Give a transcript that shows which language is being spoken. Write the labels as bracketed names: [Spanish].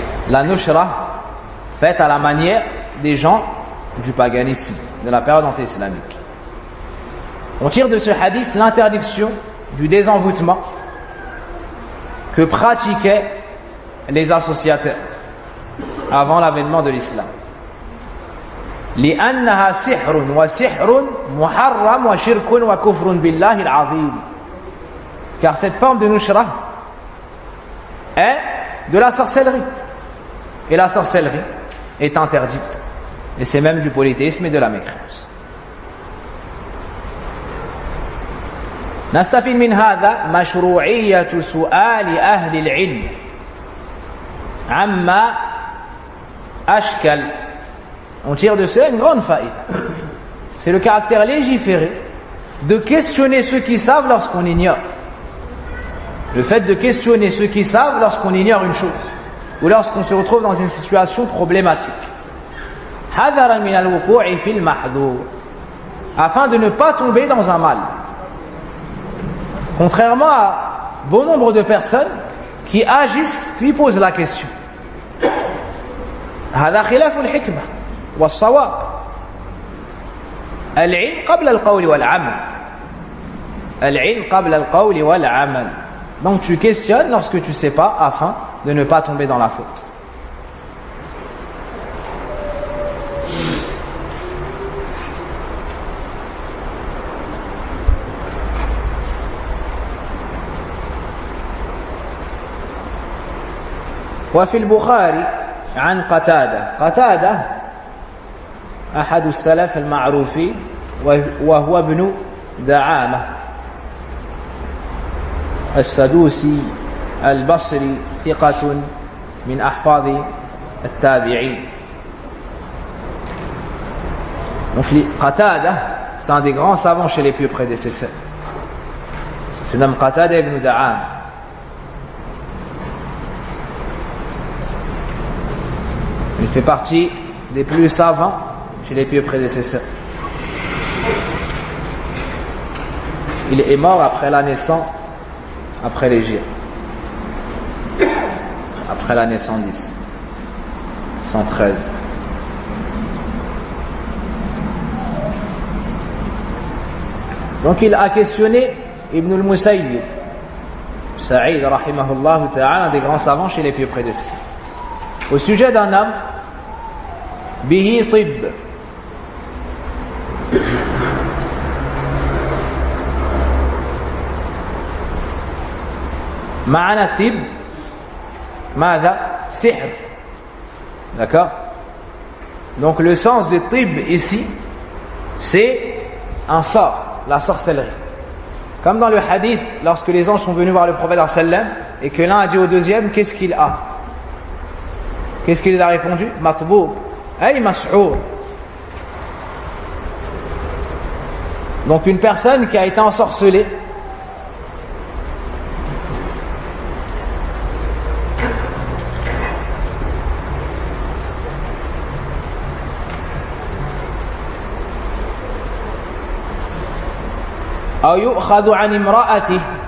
[French] La nushra faite à la manière des gens du paganisme de la période anti-islamique. On tire de ce hadith l'interdiction du désenvoûtement que pratiquaient les associateurs avant l'avènement de l'islam. [Arabic] لأنها سحر وسحر محرم وشرك وكفر بالله العظيم. [French] Car cette forme de nushra est de la sorcellerie. Et la sorcellerie est interdite. Et c'est même du polythéisme et de la mécréance. [Arabic] نستفيد من هذا مشروعية سؤال أهل العلم عما أشكل. [French] On tire de cela une grande faïda. C'est le caractère légiféré de questionner ceux qui savent lorsqu'on ignore. Le fait de questionner ceux qui savent lorsqu'on ignore une chose ou lorsqu'on se retrouve dans une situation problématique. [Arabic] حَذَرًا مِنَ الْوُقُوعِ فِي الْمَحْذُورِ. [French] Afin de ne pas tomber dans un mal. Contrairement à bon nombre de personnes qui agissent puis posent la question. [Arabic] هَذَا خِلَفُ الْحِكْمَةِ والصواب العلم قبل القول والعمل العلم قبل القول والعمل. [French] Donc tu questionnes lorsque tu sais pas afin de ne pas tomber dans la faute. [Arabic] وفي البخاري عن قتادة قتادة أحد السلف المعروفين وهو ابن دعامة السدوسي البصري ثقة من أحفاد التابعين. [French] Donc قتادة c'est un des grands savants chez les plus prédécesseurs. C'est nommé قتادة ابن دعامة. Il fait partie des plus savants chez les plus prédécesseurs. Il est mort après la naissance, après l'égir. Après la naissance 10. 113. Donc il a questionné Ibn al-Musayyib. Sa'id, rahimahullah ta'ala, un des grands savants chez les plus prédécesseurs. Au sujet d'un homme, [Arabic] bihi tib. معنى الطب ماذا سحر d'accord. [French] Donc le sens de طب ici c'est un sort, la sorcellerie, comme dans le hadith lorsque les anges sont venus voir le prophète sallam et que l'un a dit au deuxième qu'est-ce qu'il a, qu'est-ce qu'il a répondu, [Arabic] matbou ay mas'our. [French] Donc une personne qui a été ensorcelée [Arabic] أو يؤخذ عن امرأته